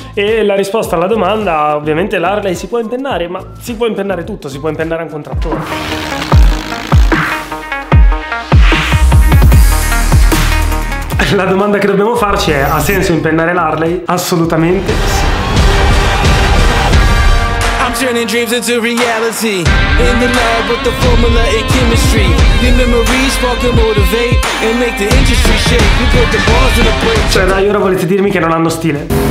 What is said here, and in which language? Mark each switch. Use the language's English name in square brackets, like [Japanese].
[Italian] E la risposta alla domanda, ovviamente l'Harley si può impennare, ma si può impennare tutto, si può impennare anche un trattore. La domanda che dobbiamo farci è: ha senso impennare l'Harley? Assolutamente sì. [English] I'm turning dreams into reality. In the lab with the formula and chemistry. The memories spark and motivate and make the industry shake. We put the balls in the plate. [Italian] Cioè dai, ora volete dirmi che non hanno stile?